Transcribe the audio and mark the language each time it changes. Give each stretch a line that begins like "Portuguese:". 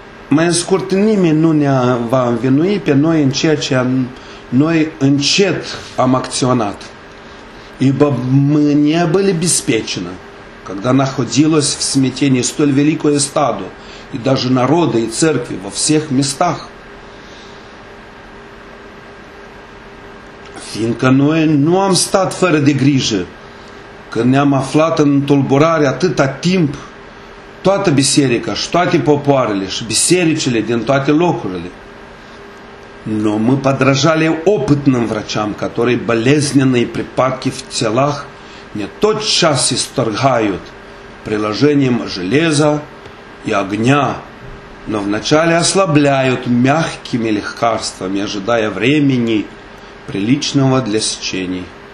Russian: Мы скорт нимену не вам винуипе, но инчет, амакционат. Ибо мы не были обеспечены, когда находилось в смятении столь великое стадо, и даже народы, и церкви во всех местах.
Romanian: Fiindcă noi nu am stat fără de grijă, că ne-am aflat în tulburare atâta timp, toată biserica și toate popoarele și bisericile din toate locurile.
Russian: Но мы подражали опытным врачам, которые болезненные припадки в телах не тотчас исторгают приложением железа и огня, но вначале ослабляют мягкими лекарствами, ожидая времени приличного для сечений.